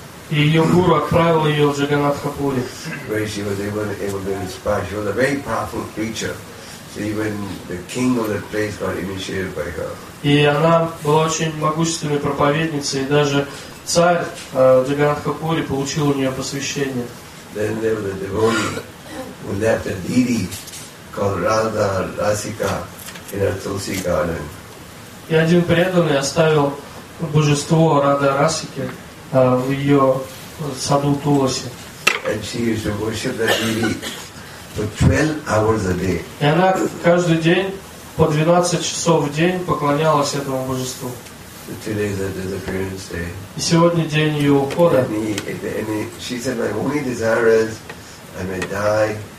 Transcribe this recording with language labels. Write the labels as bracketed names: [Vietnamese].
[Russian] И ее гуру отправил ее в Джаганнатха Пури. [English] She was able to inspire. She was a very powerful preacher. So even the king of the place got initiated by her. [Russian] И она была очень могущественной проповедницей, и даже царь Джаганнатха Пури получил у нее посвящение. [English] Then there was a devotee. Who left a deity called Radha Rasika in her Tulsi garden? [Russian] И один преданный оставил божество Радха Расики в ее саду Туласи. [English] And she used to worship that deity for 12 hours a day. [Russian] И она каждый день по 12 часов в день поклонялась этому божеству. [English] So today is her disappearance day. [Russian] И сегодня день ее ухода. [English] And she said, "My only desire is I may die."